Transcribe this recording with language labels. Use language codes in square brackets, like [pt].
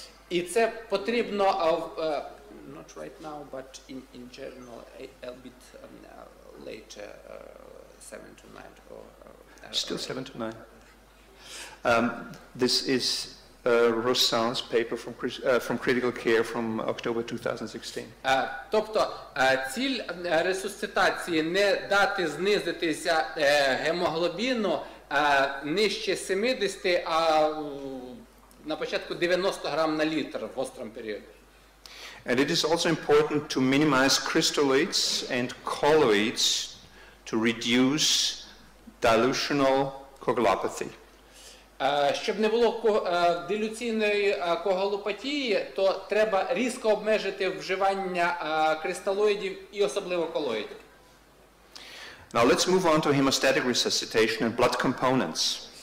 [uk] І це потрібно [en] not right now, but in general, a bit later, 7 to 9. Still 7 to 9. This is Rossan's paper from critical care from October 2016. [uk] Тобто ціль ресусцитації не дати знизитися гемоглобіну нижче 70, а на початку 90 грам на літр в острому періоді. [en] And it is also important to minimize crystallates and colloids to reduce dilutional coagulopathy. [uk] Щоб не було дилюційної коагулопатії, то треба різко обмежити вживання кристалоїдів і особливо колоїдів. [en] Now let's move on to hemostatic resuscitation and blood components.